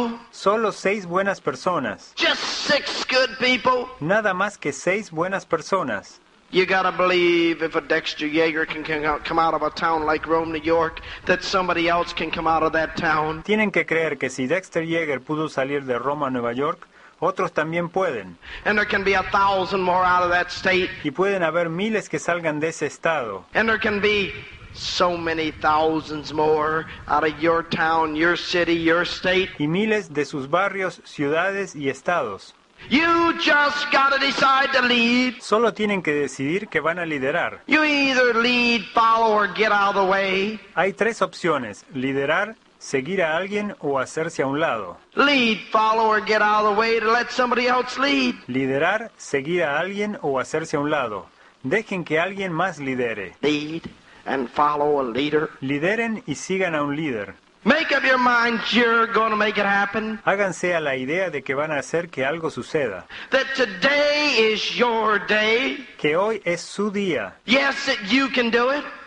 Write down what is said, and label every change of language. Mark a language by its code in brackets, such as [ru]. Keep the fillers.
[es] Solo seis buenas personas. [en] Just six good people. [es] Nada más que seis buenas personas. [en] You gotta believe if a Dexter Yeager can come out of a town like Rome, New York, that somebody else can come out of that town. [es] Tienen que creer que si Dexter Yeager pudo salir de Roma, Nueva York, otros también pueden. [en] And there can be a thousand more out of that state. [es] Y pueden haber miles que salgan de ese estado. [en] And there can be so many thousands more out of your town, your city, your state. [es] Y miles de sus barrios, ciudades y estados. [en] You just gotta decide to lead. [es] Solo tienen que decidir que van a liderar. [en] You either lead, follow, or get out of the way. [es] Hay tres opciones: liderar, seguir a alguien o hacerse a un lado. [en] Lead, follow, or get out of the way to let somebody else lead. [es] Liderar, seguir a alguien o hacerse a un lado. Dejen que alguien más lidere. [en] Lead and follow a leader. [es] Lideren y sigan a un líder. [en] Make up your mind you're going to make it happen. [es] Háganse a la idea de que van a hacer que algo suceda. [en] That today is your day. [es] Que hoy es su día. [en] Yes, that you can do it.